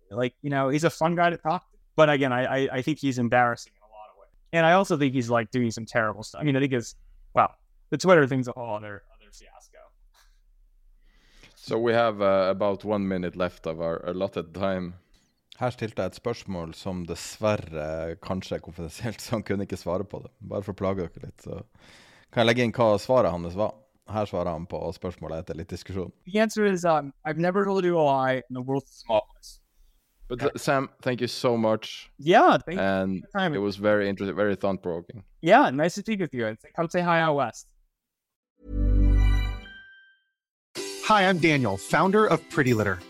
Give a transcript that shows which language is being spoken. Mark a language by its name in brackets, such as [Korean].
[English] Like, you know, he's a fun guy to talk to. But again, I think he's embarrassing in a lot of ways. And I also think he's like doing some terrible stuff. I mean, I think it's, well, the Twitter thing's a whole other fiasco. So we have about 1 minute left of our allotted time. [Norwegian] Her stilte jeg et spørsmål som dessverre kanskje er konfidensielt, så han kunne ikke svare på det. Bare for å plage dere litt, så kan jeg legge inn hva svaret hans var. Her svarer han på spørsmålet etter litt diskusjon. [English] The answer is, I've never told you a lie in the world's smallest. But okay. Sam, thank you so much. Yeah, thank you for your time. It was very interesting, very thought-provoking. Yeah, nice to speak with you. Come say hi out west. Hi, I'm Daniel, founder of Pretty Litter.